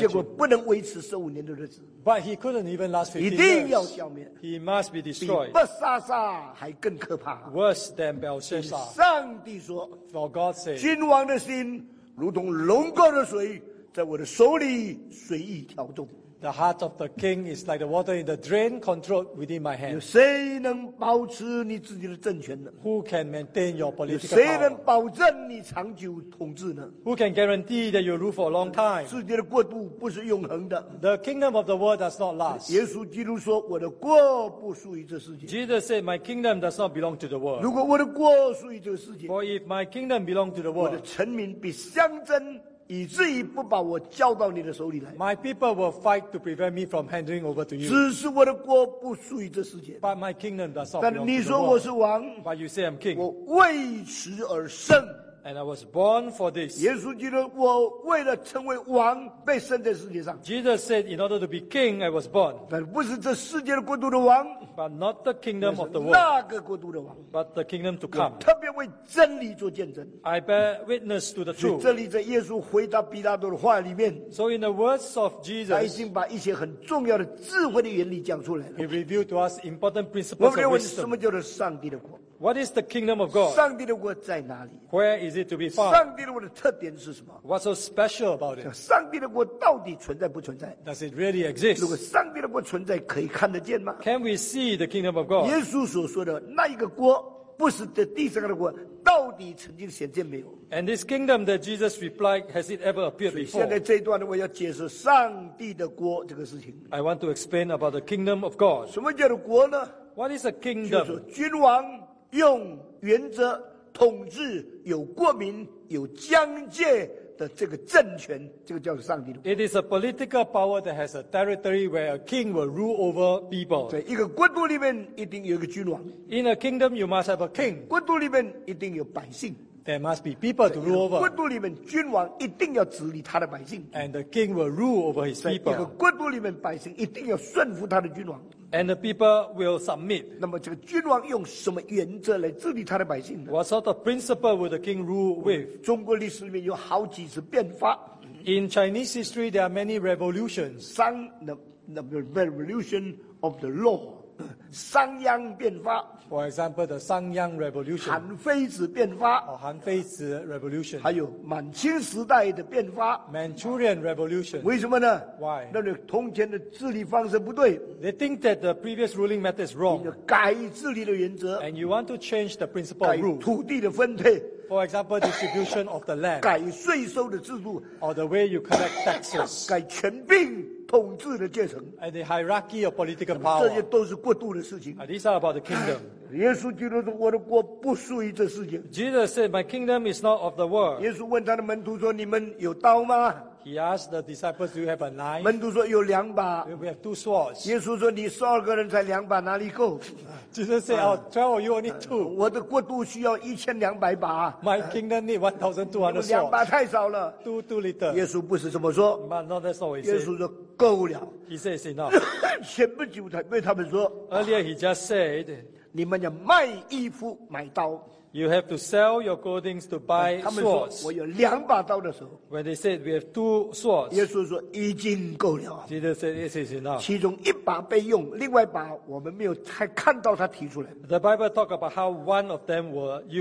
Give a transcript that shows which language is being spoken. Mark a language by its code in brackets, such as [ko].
[zh] 结果不能维持15年的日子, [en] but he couldn't even last 15 [zh] years. 一定要消灭, [en] he must be destroyed. [zh] 比伯沙撒还更可怕, [en] worse than Belshazzar. [zh] 上帝说, [en] for God said, [zh] 君王的心如同龙沟的水, 在我的手里, [en] the heart of the king is like the water in the drain controlled within my hand. [zh] 有谁能保持你自己的政权呢? [en] Who can maintain your political power? [zh] 有谁能保证你长久统治呢? [en] Who can guarantee that you rule for a long time? [zh] 世界的国度不是永恒的, [en] the kingdom of the world does not last. [zh] 耶稣基督说, 我的国不属于这世界, [en] Jesus said, my kingdom does not belong to the world. [zh] 如果我的国属于这世界, [en] for if my kingdom belongs to the world, [zh] 我的臣民必相争, 以至于不把我交到你的手里来, [en] my people will fight to prevent me from handing over to you. [zh] 只是我的国不属于这世界, [en] but my kingdom does not belong to the world. [zh] 但你说我是王, [en] but you say I'm king. [zh] 我为此而生, [en] and I was born for this. [zh] 耶稣基督, 我为了成为王, 被生在世界上, [en] Jesus said, in order to be king, I was born. [zh] 但不是这世界的国度的王, [en] but not the kingdom of the world. [zh] 那个国度的王, [en] but the kingdom to come. [zh] 特别为真理做见证, [en] I bear witness to the truth. [zh] 这里在耶稣回答比拉多的话里面, [en] so in the words of Jesus, [zh] 他已经把一些很重要的智慧的原理讲出来了, [en] he revealed to us important principles of wisdom. [zh] 我们认为什么叫做上帝的国, [en] what is the kingdom of God? [zh] 上帝的国在哪里? [en] Where is it to be found? [zh] 上帝的国的特点是什么? [en] What's so special about it? [zh] 上帝的国到底存在不存在? [en] Does it really exist? [zh] 如果上帝的国存在, 可以看得见吗? [en] Can we see the kingdom of God? [zh] 耶稣所说的那一个国, 不是地上的国, 到底曾经显见没有? [en] And this kingdom that Jesus replied, has it ever appeared before? [zh] 现在这一段我要解释上帝的国这个事情, [en] I want to explain about the kingdom of God. [zh] 什么叫做国呢? [en] What is a kingdom? [zh] 就是君王, 用原则统治有国民有疆界的这个政权, 这个叫做上帝的国。 [en] It is a political power that has a territory where a king will rule over people. [zh] 对,一个国度里面一定有一个君王。 [en] In a kingdom, you must have a king. [zh] 国度里面一定有百姓。 [en] There must be people to rule over. [zh] 国度里面君王一定要治理他的百姓。 [en] And the king will rule over his people. [zh] 一个国度里面百姓一定要顺服他的君王。 [en] And the people will submit. [zh] 那么这个君王用什么原则来治理他的百姓呢? [en] What sort of principle will the king rule with? [zh] 中国历史里面有好几次变法。 [en] In Chinese history, there are many revolutions. 商, the revolution of the law. [zh] 商鞅变法, [en] for example, the 商鞅 revolution. [zh] 韩非子变法, [en] or 韩非子 revolution. [zh] 还有满清时代的变法, [en] Manchurian revolution. [zh] 为什么呢? [en] Why? [zh] 那里通前的治理方式不对, [en] they think that the previous ruling method is wrong. [zh] 改治理的原则, [en] and you want to change the principle of rule. [zh] 改土地的分配, [en] for example, distribution of the land. [zh] 改税收的制度, [en] or the way you collect taxes. [zh] 改权柄, 统治的阶层, [en] and the hierarchy of political power. [zh] 这些都是过度的事情, [en] these are about the kingdom. [zh] 耶稣基督说, 我的国不属于这世界。 [en] Jesus said, my kingdom is not of the world. [zh] 耶稣问他的门徒说, 你们有刀吗? [en] He He asked the disciples, "Do you have a knife?" [zh] 门徒说有两把。 [en] We have two swords. [zh] 耶稣说你十二个人才两把哪里够？ [en] Jesus said, "Oh, 12 of you only two." [zh] 我的国度需要1200把。 [en] My kingdom need 1,200 swords. [zh] 两把太少了。 [en] Too little. [zh] 耶稣不是这么说。 [en] But not that's what he said. [zh] 耶稣说够了。 [en] He said it's enough. [zh] 前不久才对他们说。 [en] Earlier he just said, [zh] 你们要卖衣服买刀。 [en] You have to sell your clothing to buy swords. [zh] 他们说我有两把刀的时候, [en] when they said we have two swords, [zh] 耶稣说已经够了, [en] Jesus said this is enough. [zh] 其中一把被用, 另外一把我们没有太看到他提出来。 [en] The Bible talks about how one of them were used.